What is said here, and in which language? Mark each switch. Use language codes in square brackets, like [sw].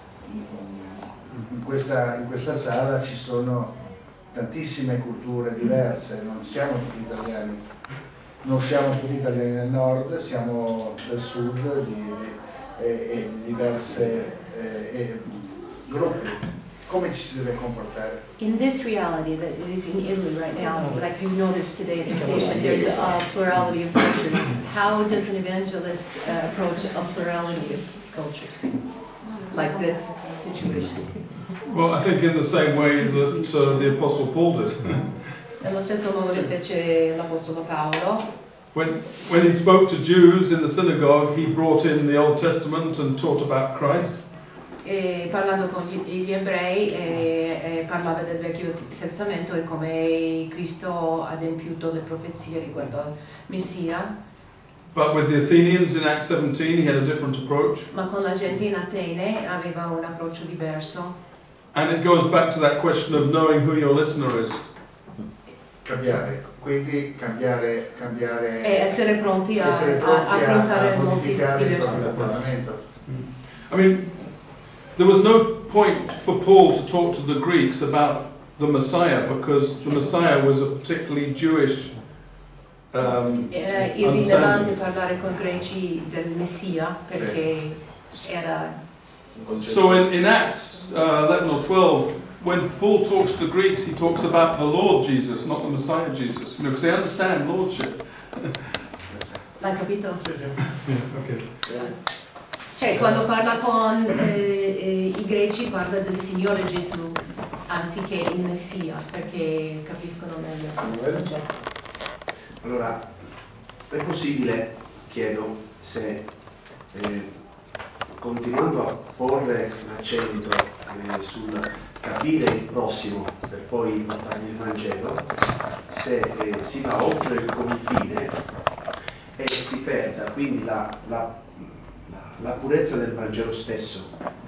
[it] In questa sala ci sono tantissime culture diverse, non siamo tutti italiani, non siamo tutti italiani del nord, siamo del sud di diverse gruppi. [en] In this reality that is in Italy right now, like you noticed today, there's a plurality of cultures. How does an evangelist approach a plurality of cultures like this situation? Well, I think in the same way that the Apostle Paul did. [it] Nello stesso modo che fece l'Apostolo Paolo. [en] When he spoke to Jews in the synagogue, he brought in the Old Testament and taught about Christ. [it] E parlando con gli ebrei e parlava del Vecchio Testamento e come Cristo ha adempiuto le profezie riguardo al Messia. [en] But with the Athenians in Acts 17 he had a different approach. [it] Ma con la gente in Atene aveva un approccio diverso. [en] And it goes back to that question of knowing who your listener is. [it] Cambiare, quindi cambiare e essere pronti a affrontare molti diversi approcci. [en] I mean, there was no point for Paul to talk to the Greeks about the Messiah because the Messiah was a particularly Jewish understanding. [it] Irrilevante parlare con greci del Messia perché era. [en] So in Acts 11 or 12, when Paul talks to the Greeks, he talks about the Lord Jesus, not the Messiah Jesus, because they understand lordship. [it] L'hai capito? [en] Okay. Yeah. [it] Cioè, quando parla con i greci parla del Signore Gesù, anziché il Messia, perché capiscono meglio. Allora, è possibile, chiedo, se continuando a porre l'accento sul capire il prossimo per poi portare il Vangelo, se si va oltre il confine e si perda, quindi la purezza del Vangelo stesso.